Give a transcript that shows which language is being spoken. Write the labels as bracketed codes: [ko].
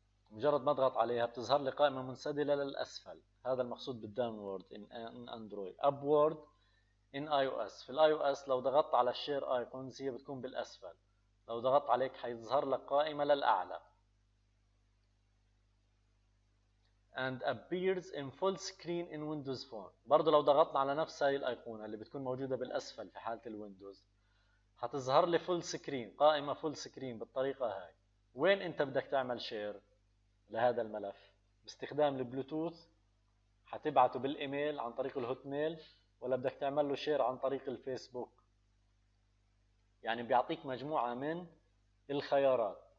[ar] مجرد ما أضغط عليها بتظهر لي قائمة منسدلة للأسفل، هذا المقصود بال [en] downward in Android. Upward in iOS. [ar] في الآي أو إس لو ضغطت على الشير أيقونز هي بتكون بالأسفل، لو ضغطت عليك حيظهر لك قائمة للأعلى. [en] and appears in full screen in Windows Phone. [ar] برضو لو ضغطنا على نفس هاي الأيقونة اللي بتكون موجودة بالأسفل في حالة الويندوز هتظهر لي full screen، قائمة full screen بالطريقة هاي. وين أنت بدك تعمل شير لهذا الملف؟ باستخدام البلوتوث هتبعته بالإيميل عن طريق الهوت ميل، ولا بدك تعمل له شير عن طريق الفيسبوك؟ يعني بيعطيك مجموعة من الخيارات.